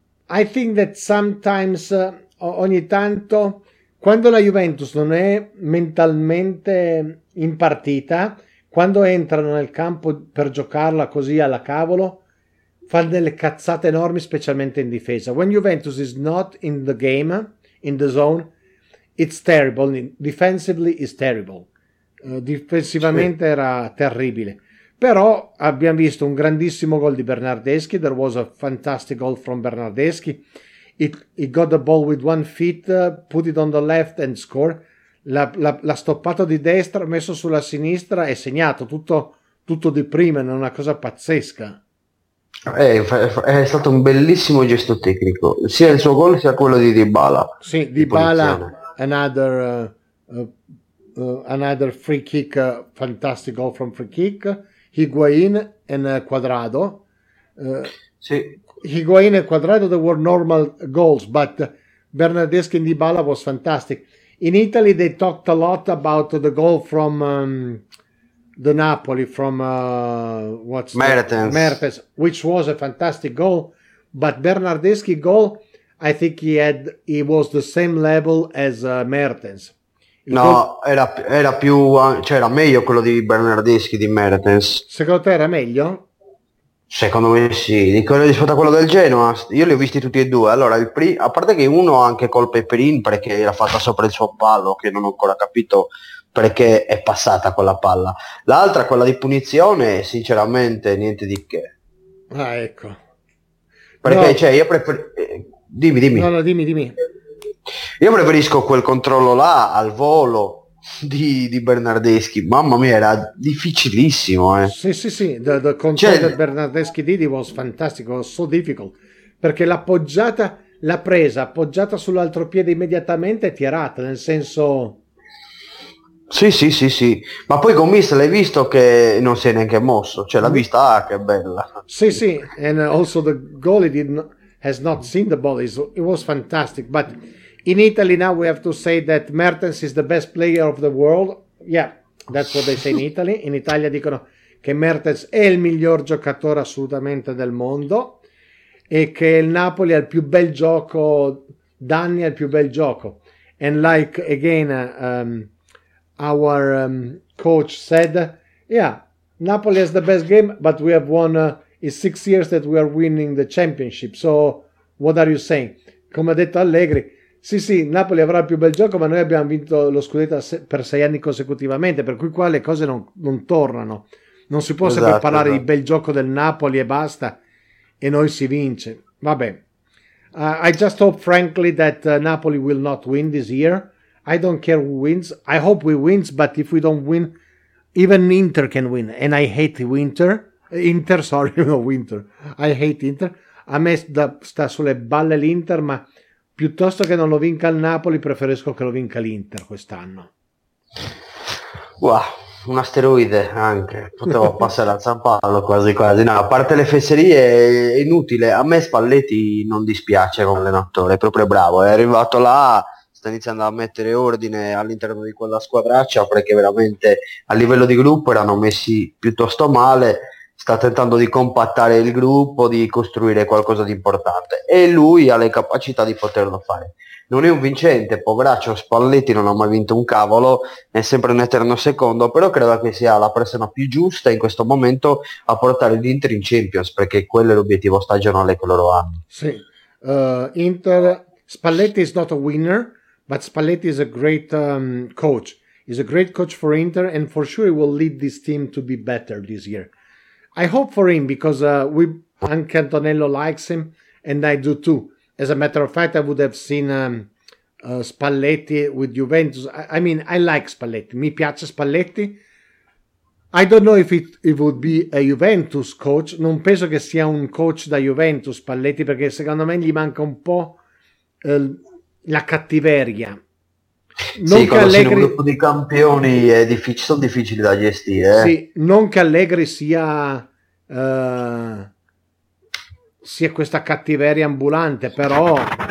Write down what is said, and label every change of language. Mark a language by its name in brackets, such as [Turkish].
[English] I think that sometimes, [Italian] ogni tanto, quando la Juventus non è mentalmente in partita, quando entrano nel campo per giocarla così alla cavolo, fa delle cazzate enormi, specialmente in difesa. [English] When Juventus is not in the game, in the zone, it's terrible. Defensively is terrible. [Italian] Difensivamente sì. Era terribile. Però abbiamo visto un grandissimo gol di Bernardeschi. [English] There was a fantastic goal from Bernardeschi. He got the ball with one foot, put it on the left and score. [Italian] L'ha stoppato di destra, messo sulla sinistra e segnato. Tutto di prima, è una cosa pazzesca. È stato un bellissimo gesto tecnico, sia il suo gol sia quello di Dybala. [English] Sì, Dybala, another free kick, fantastic goal from free kick. Higuain and Cuadrado. [Italian] Sì. [English] Higuain and Cuadrado, they were normal goals, but Bernardeschi and Dybala was fantastic. In Italy they talked a lot about the goal from... the Napoli from Mertens, which was a fantastic goal, but Bernardeschi goal, I think he was the same level as Mertens. [Italian] No, era più, cioè era meglio quello di Bernardeschi di Mertens. Secondo te era meglio? Secondo me sì, rispetto a quello del Genoa, io li ho visti tutti e due. Allora, a parte che uno ha anche colpe per in, perché era fatta sopra il suo palo, che non ho ancora capito perché è passata quella palla. L'altra, quella di punizione, sinceramente niente di che. Ah, ecco. Perché, no. Cioè, io preferisco... Dimmi. No, dimmi. Io preferisco quel controllo là, al volo, di Bernardeschi. Mamma mia, era difficilissimo, eh. Sì, il controllo del Bernardeschi di was fantastico, [English] so difficult. [Italian] Perché l'ha presa appoggiata sull'altro piede immediatamente, tirata, nel senso... Sì. Ma poi con Mist l'hai visto che non si è neanche mosso. Cioè l'ha vista, ah, che bella. Sì, sì. [English] And also the goalie has not seen the ball. It was fantastic. But in Italy now we have to say that Mertens is the best player of the world. Yeah, that's what they say in Italy. [Italian] In Italia dicono che Mertens è il miglior giocatore assolutamente del mondo e che il Napoli ha il più bel gioco, danni al più bel gioco. [English] And like, again... Our coach said, yeah, Napoli has the best game, but we have won in 6 years that we are winning the championship. So what are you saying? [Italian] Come ha detto Allegri, sì, Napoli avrà il più bel gioco, ma noi abbiamo vinto lo Scudetto per 6 anni consecutivamente, per cui qua le cose non tornano. Non si può sempre parlare di bel gioco del Napoli e basta, e noi si vince. [English] Vabbè, I just hope, frankly, that Napoli will not win this year. I don't care who wins. I hope we win, but if we don't win, even Inter can win. And I hate Inter. I hate Inter. [Italian] A me sta sulle balle l'Inter, ma piuttosto che non lo vinca il Napoli, preferisco che lo vinca l'Inter quest'anno. Wow, un asteroide anche. Potevo passare al San Paolo quasi. No, a parte le fesserie, è inutile. A me Spalletti non dispiace come allenatore, è proprio bravo. È arrivato là... iniziando a mettere ordine all'interno di quella squadraccia, perché veramente a livello di gruppo erano messi piuttosto male. Sta tentando di compattare il gruppo, di costruire qualcosa di importante, e lui ha le capacità di poterlo fare. Non è un vincente, poveraccio Spalletti, non ha mai vinto un cavolo, è sempre un eterno secondo, però credo che sia la persona più giusta in questo momento a portare l'Inter in Champions, perché quello è l'obiettivo stagionale che loro hanno. [English] Sì, Inter, Spalletti is not a winner. But Spalletti is a great coach. He's a great coach for Inter, and for sure he will lead this team to be better this year. I hope for him, because anche Antonello likes him, and I do too. As a matter of fact, I would have seen Spalletti with Juventus. I mean, I like Spalletti. [Italian] Mi piace Spalletti. [English] I don't know if it would be a Juventus coach. [Italian] Non penso che sia un coach da Juventus, Spalletti, perché secondo me gli manca un po'... la cattiveria. Non sì, che Allegri... un gruppo di campioni è difficile, sono difficili da gestire. Sì, non che Allegri sia sia questa cattiveria ambulante, però...